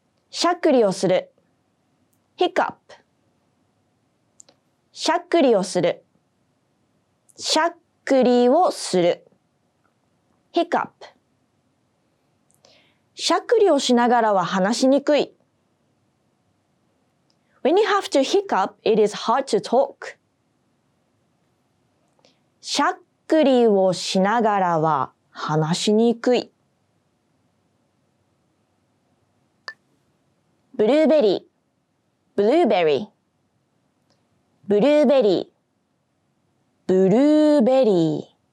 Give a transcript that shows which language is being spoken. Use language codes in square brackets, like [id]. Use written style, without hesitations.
[ja] しゃっくりをする。 [en] Hiccup。 [ja] しゃっくりをする。しゃっくりをする。 [en] Hiccup。 [ja] しゃっくりをしながらは話しにくい。 [en] When you have to hiccup, it is hard to talk. [ja] しゃっしゃっくりをしながらは話しにくい。ブルーベリー、ブルーベリー、ブルーベリー、ブルーベリー、